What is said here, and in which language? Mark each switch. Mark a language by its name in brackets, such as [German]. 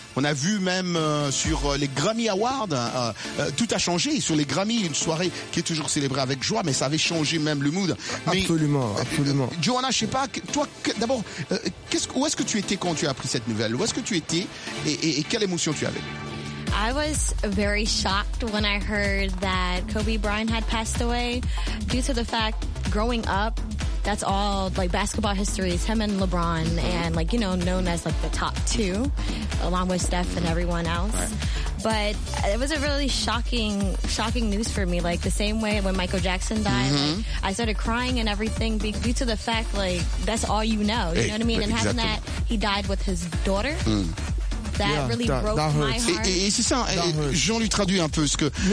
[French] On a vu même sur les Grammy Awards, tout a changé. Sur les Grammy, une soirée qui est toujours célébrée avec joie, mais ça avait changé même le mood. Absolument. Johanna, je sais pas, toi, d'abord, où est-ce que tu étais quand tu as appris cette nouvelle? Où est-ce que tu étais et quelle émotion tu avais? [English] I was very shocked when I heard that Kobe Bryant had passed away due to the fact, growing up, that's all, like, basketball history is him and LeBron and, like, you know, known as, like, the top two, along with Steph and everyone else. But it was a really shocking news for me. Like, the same way when Michael Jackson died, mm-hmm. I started crying and everything due to the fact, like, that's all you know. You know what I mean? And having that, he died with his daughter. Mm. [French] Et c'est ça, Jean lui traduit un peu ce que